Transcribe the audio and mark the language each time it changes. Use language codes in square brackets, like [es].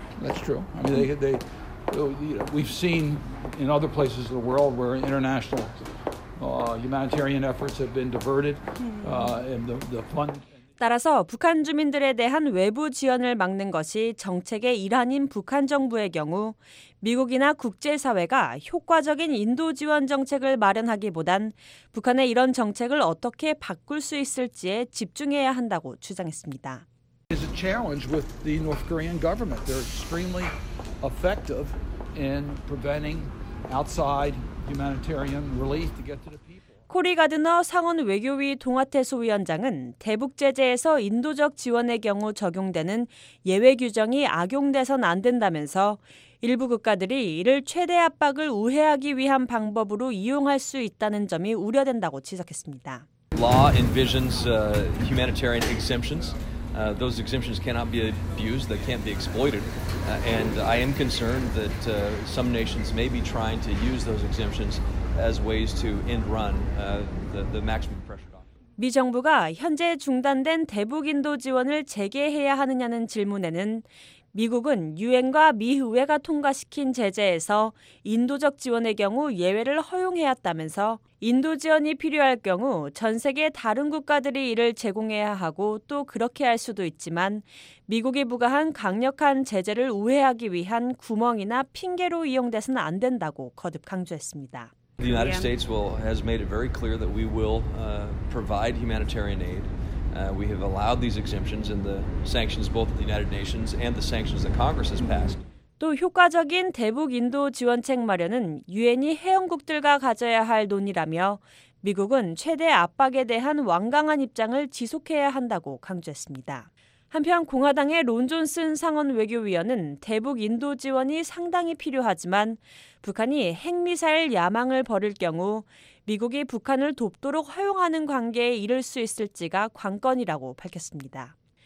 [en] That's true. I mean, we've seen in other places of the world where international humanitarian efforts have been diverted, and the fund. [ko] 따라서 북한 주민들에 대한 외부 지원을 막는 것이 정책의 일환인 북한 정부의 경우 미국이나 국제사회가 효과적인 인도 지원 정책을 마련하기보단 북한의 이런 정책을 어떻게 바꿀 수 있을지에 집중해야 한다고 주장했습니다. [en] Is a challenge with the North Korean government. They're extremely effective in preventing outside humanitarian relief to get to the people. [ko] 코리 가드너 상원 외교위 동아태소 위원장은 대북 제재에서 인도적 지원의 경우 적용되는 예외 규정이 악용돼선 안 된다면서 일부 국가들이 이를 최대 압박을 우회하기 위한 방법으로 이용할 수 있다는 점이 우려된다고 지적했습니다. [en] Law envisions humanitarian exemptions. Those exemptions cannot be abused, they can't be exploited. And I am concerned that some nations may be trying to use those exemptions as ways to end run the maximum pressure doctrine. [ko] 미 정부가 현재 중단된 대북 인도 지원을 재개해야 하느냐는 질문에는 미국은 유엔과 미 의회가 통과시킨 제재에서 인도적 지원의 경우 예외를 허용해왔다면서 인도 지원이 필요할 경우 전 세계 다른 국가들이 이를 제공해야 하고 또 그렇게 할 수도 있지만 미국이 부과한 강력한 제재를 우회하기 위한 구멍이나 핑계로 이용돼서는 안 된다고 거듭 강조했습니다. [en] The United States has made it very clear that we will provide humanitarian aid. We have allowed these exemptions in the sanctions both of the United Nations and the sanctions that Congress has passed. [ko] 또 효과적인 대북 인도 지원책 마련은 유엔이 회원국들과 가져야 할 논의라며 미국은 최대 압박에 대한 완강한 입장을 지속해야 한다고 강조했습니다. 한편 공화당의 론 존슨 상원 외교위원은 대북 인도 지원이 상당히 필요하지만 북한이 핵미사일 야망을 벌일 경우 미국이 북한을 돕도록 허용하는 관계에 이를 수 있을지가 관건이라고 밝혔습니다.